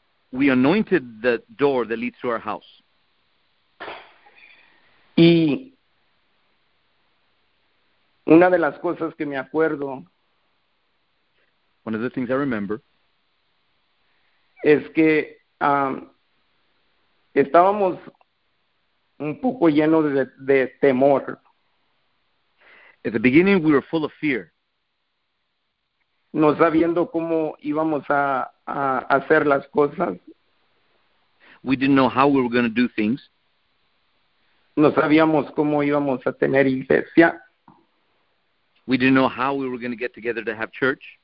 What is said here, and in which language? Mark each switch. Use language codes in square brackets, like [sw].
[en] We anointed the door that leads to our house. [es] Y una de las cosas que me acuerdo, [en] one of the things I remember, [es] es que estábamos un poco llenos de temor. [en] At the beginning, we were full of fear. [es] No sabiendo cómo íbamos a hacer las cosas. [en] We didn't know how we were going to do things. [es] No sabíamos cómo íbamos a tener iglesia. [en] We didn't know how we were going to get together to have church.